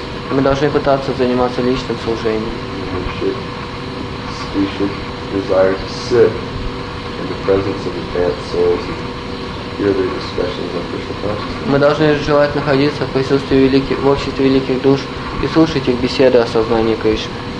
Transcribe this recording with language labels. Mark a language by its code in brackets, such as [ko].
[ru] Мы должны пытаться заниматься личным служением. [en] We should desire to sit in the presence of advanced souls and hear their discussions on Krishna consciousness. [ru] Мы должны желать находиться в присутствии великих, в обществе великих душ и слушать их беседы о сознании Кришны.